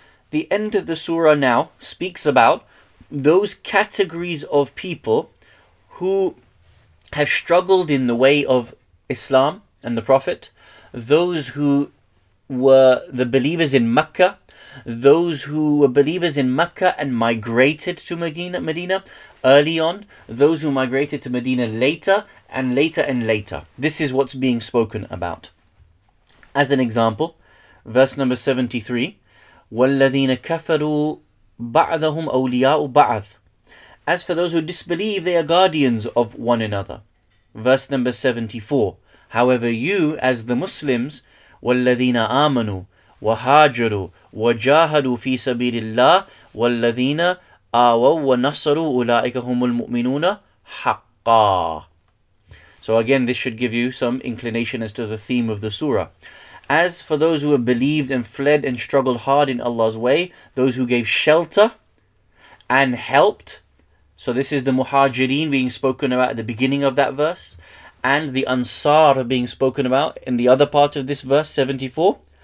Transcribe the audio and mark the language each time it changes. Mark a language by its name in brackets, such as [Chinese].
[English] The end of the surah now speaks about those categories of people who have struggled in the way of Islam and the Prophet, those who were the believers in Mecca, those who were believers in Mecca and migrated to Medina early on, those who migrated to Medina later and later and later. This is what's being spoken about. As an example, verse number 73, [Arabic] وَالَّذِينَ كَفَرُوا بَعْضَهُمْ أَوْلِيَاءُ بَعْضٍ. [English] As for those who disbelieve, they are guardians of one another. Verse number 74, however you, as the Muslims, [Arabic] وَالَّذِينَ آمَنُوا وَهَاجَرُوا وَجَاهَدُوا فِي سَبِيلِ اللَّهِ وَالَّذِينَ آوَوا وَنَصَرُوا أُولَٰئِكَ هُمُ الْمُؤْمِنُونَ حَقَّا. [English] So again, this should give you some inclination as to the theme of the surah. As for those who have believed and fled and struggled hard in Allah's way, those who gave shelter and helped, so this is the muhajireen being spoken about at the beginning of that verse, and the Ansar are being spoken about in the other part of this verse, 74.